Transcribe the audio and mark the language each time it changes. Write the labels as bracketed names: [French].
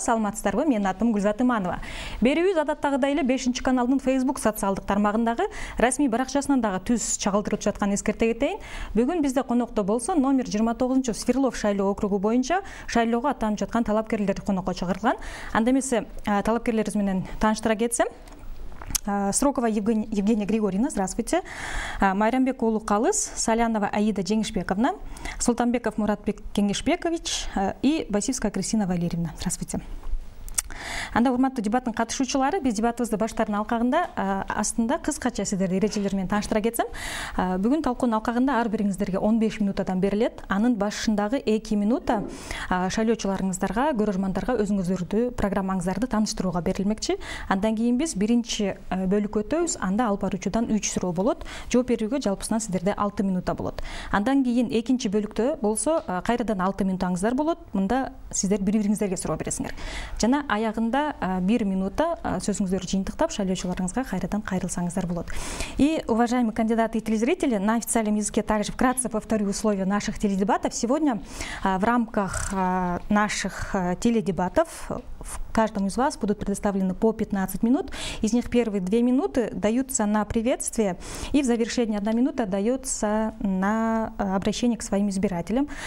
[Kyrgyz] Саламатсыздарбы, менин атым Гүлзат Иманова. Берүүбүз адаттагыдай эле 5-нчи каналдын Facebook социалдык тармагындагы расмий баракчасынан дагы түз чагылдырылып жатканын эскерте кетейин. Бүгүн бизде конокто болсо номер 29 Свердлов шайлоо округу боюнча шайлоого атанып жаткан талапкерлерди конокко чакырган. Анда эмесе талапкерлерибиз менен тааныштыра кетсем. [Russian] Срокова Евгения Григорьевна, здравствуйте. Майрамбек Улу Калыс, Салянова Аида Женишбековна, Султанбеков Муратбек Кенишбекович и Басивская Кристина Валерьевна. Здравствуйте. [Kyrgyz] Анда урматтуу дебаттын катышуучулары, биз дебатыбызды баштардын алкагында астында кыскача сиздерди эрежелер менен тааныштыра кетсем. Бүгүн талкуунун алкагында ар бириңиздерге 15 минутадан берилет. Анын башындагы 2 минута шайлоочуларыңыздарга, көрөрмандарга өзүңүздөрдү, программаңыздарды тааныштырууга берилмекчи. Андан кийин биз биринчи бөлүк өтөбүз. Анда алып баруучудан 3 суроо болот. Жооп берүүгө жалпысынан сиздерде 6 минута болот. Андан кийин экинчи бөлүктө болсо кайрадан 6 минутаңыздар болот. Мында сиздер бири-бириңиздерге суроо бересиңер. Жана аягында 1 минута сөзүңүздөрдү жыйынтыктап, шайлоочуларыңызга кайрадан кайрылсаңыздар болот. [Russian] И, уважаемые кандидаты и телезрители, на официальном языке также вкратце повторю условия наших теледебатов. Сегодня в рамках наших теледебатов каждому из вас будут предоставлены по 15 минут. Из них первые 2 минуты даются на приветствие, и в завершении 1 минута дается на обращение к своим избирателям.